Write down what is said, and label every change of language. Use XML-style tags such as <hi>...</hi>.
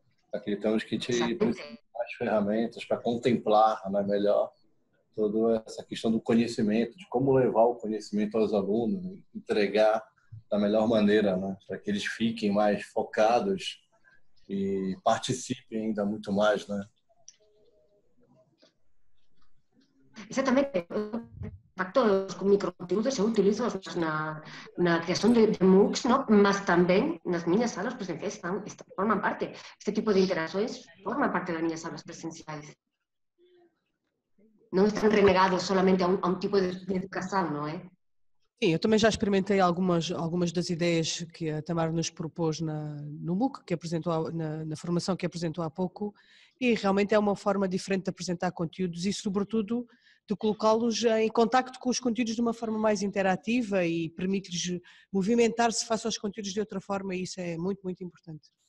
<pt>Acreditamos que a gente precisa ter mais ferramentas para contemplar, né, melhor toda essa questão do conhecimento, de como levar o conhecimento aos alunos, né? Entregar da melhor maneira, né? Para que eles fiquem mais focados e participem ainda muito mais, né?</pt> <gl>Exactamente, factos con microcontenidos eu utilizo na creación de MOOCs, ¿no? Mas tamén nas miñas salas presenciais forman parte, este tipo de interacciones forman parte das miñas salas presenciais.</gl> <pt>não estão renegados solamente a um tipo de educação, não é? Sim, eu também já experimentei algumas das ideias que a Tamara nos propôs no MOOC, que apresentou na formação que apresentou há pouco, e realmente é uma forma diferente de apresentar conteúdos e, sobretudo, de colocá-los em contacto com os conteúdos de uma forma mais interativa e permite-lhes movimentar-se face aos conteúdos de outra forma, e isso é muito, muito importante.</pt>